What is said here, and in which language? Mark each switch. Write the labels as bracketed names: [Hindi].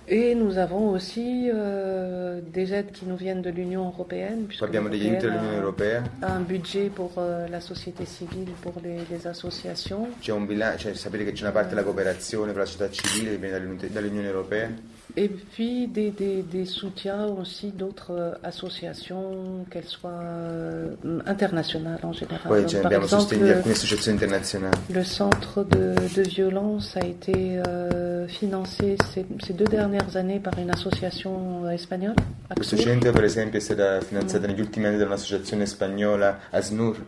[French] Et nous avons aussi des aides qui nous viennent de l'Union européenne. [Italian] Abbiamo degli aiuti dell'Unione Europea. [French] Un budget pour la société civile, pour les associations. [Italian] C'è un bilancio, cioè sapete che c'è una parte della cooperazione per la società civile che viene dall'Unione Europea. [French] Et puis des soutiens aussi d'autres associations, qu'elles soient internationales en général. Oui, j'ai bien soutenu certaines associations internationales. Le centre de violence a été financé ces deux dernières années par une association espagnole. [Italian] Questo centro, per esempio, è stato finanziato negli ultimi anni da un'associazione spagnola, ASNUR.